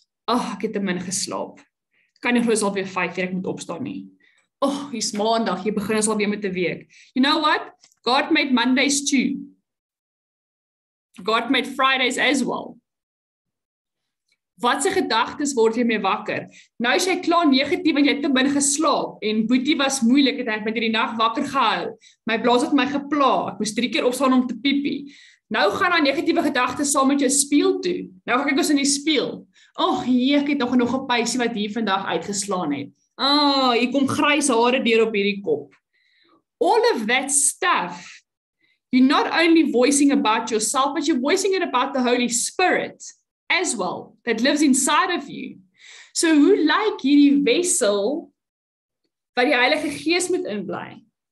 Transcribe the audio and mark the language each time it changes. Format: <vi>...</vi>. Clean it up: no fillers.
<af>Ag, ek het te min geslaap. Kan jy glos alweer 5:00 ek moet opstaan nie? Oh, hier is maandag, hier begin ons alweer met die week.</af> <en>You know what? God made Mondays too. God made Fridays as well.</en> <af>Wat se gedagtes word jy mee wakker? Nou is jy klaar negatief en jy het te min geslaap. En Boetie was moeilik, het hy met hierdie nacht wakker gehou. My blaas het my gepla. Ek moes 3 keer opstaan om te piepie. Nou gaan daai negatiewe gedagtes saam met jou spieël toe. Nou kyk ons in die spieël. Oh, hier, ek het nog 'n pysie wat hier vandag uitgeslaan het. Oh, jy kom grys hare deur op hierdie kop.</af> <en>All of that stuff, you're not only voicing about yourself, but you're voicing it about the Holy Spirit as well, that lives inside of you.</en> <af>So hoe lyk hierdie wessel wat die Heilige Gees moet inbly?</af>